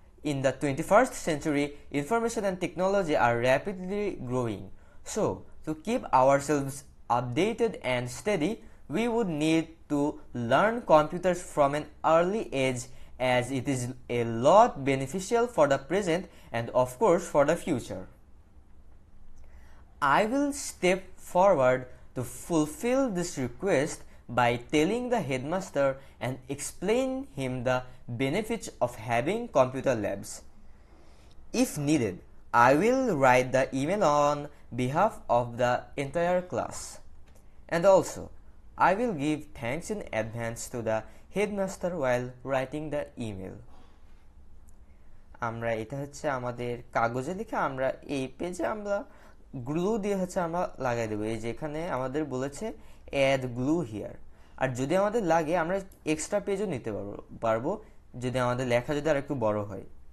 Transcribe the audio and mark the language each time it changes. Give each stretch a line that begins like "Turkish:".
English: In the 21st century information and technology are rapidly growing, so to keep ourselves updated and steady we would need to learn computers from an early age as it is a lot beneficial for the present and of course for the future. I will step forward to fulfill this request by telling the headmaster and explain him the benefits of having computer labs. If needed, I will write the email on behalf of the entire class. And also, I will give thanks in advance to the headmaster while writing the email.
Bangla: আমরা এটা হচ্ছে আমাদের কাগজে লিখে আমরা এই পেজে আমরা গ্লু দিয়ে হচ্ছে আমরা লাগাই দেবো। এই যে এখানে আমাদের বলেছে
English: add glue here,
Bangla: আর যদি আমাদের লাগে আমরা এক্সট্রা পেজও নিতে পারবো যদি আমাদের লেখা যদি আর একটু বড় হয়।